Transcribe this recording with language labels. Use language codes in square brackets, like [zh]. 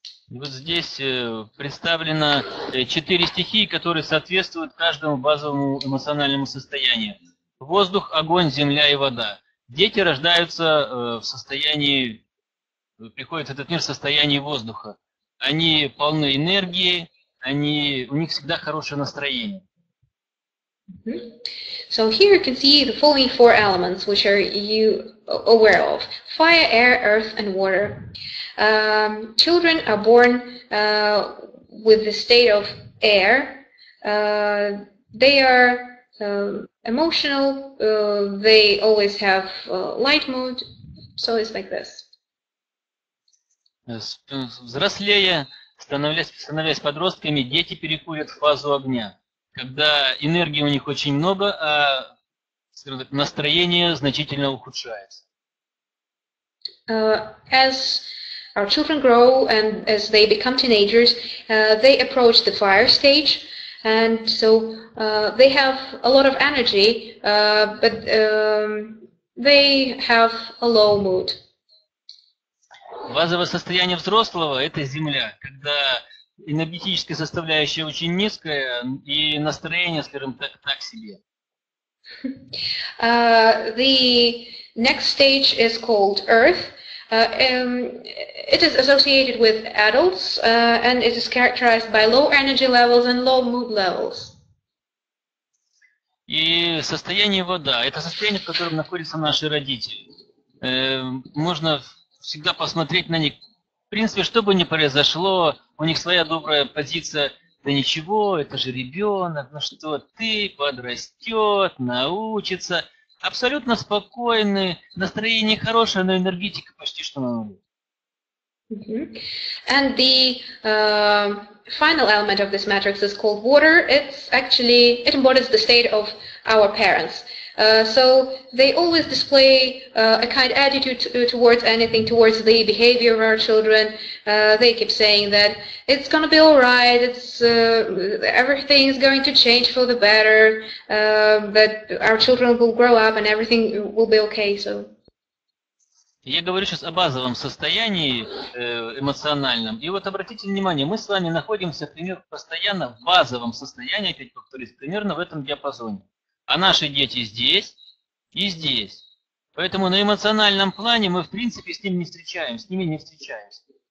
[ru] Вот здесь представлено четыре стихии, которые соответствуют каждому базовому эмоциональному состоянию. Воздух, огонь, земля и вода. Дети рождаются в состоянии, приходят в этот мир в состоянии воздуха. Они полны энергии, у них всегда хорошее настроение. [en] So here you can see the following four elements, which are you aware of: fire, air, earth, and water. Children are born with the state of air. They are emotional. They always have light mood. So it's like this. [ru] Взрослея, становясь подростками, дети переходят в фазу огня, когда энергии у них очень много, а настроение значительно ухудшается. [en] As our children grow and as they become teenagers, they approach the fire stage, and so they have a lot of energy, but they have a low mood. [ru] Базовое состояние взрослого – это земля, когда энергетическая составляющая очень низкая и настроение, скажем так, так себе. [en] The next stage is called Earth, It is associated with adults, and it is characterized by low energy levels and low mood levels. [ru] И состояние вода – это состояние, в котором находятся наши родители. Можно всегда посмотреть на них. В принципе, что бы ни произошло, у них своя добрая позиция. Да ничего, это же ребенок, ну что ты, подрастет, научится. Абсолютно спокойны, настроение хорошее, но энергетика почти что на нуле. [en] And the final element of this matrix is called water. It's actually, it embodies the state of our parents. So they always display a kind attitude towards anything, towards the behavior of our children. They keep saying that it's going to be all right, it's, everything's going to change for the better, that our children will grow up and everything will be okay. So. [ru] Я говорю сейчас о базовом состоянии эмоциональном. И вот обратите внимание, мы с вами находимся, например, постоянно в базовом состоянии, опять повторюсь, примерно в этом диапазоне. А наши дети здесь и здесь. Поэтому на эмоциональном плане мы, в принципе, с ними не встречаемся, с ними не встречаемся.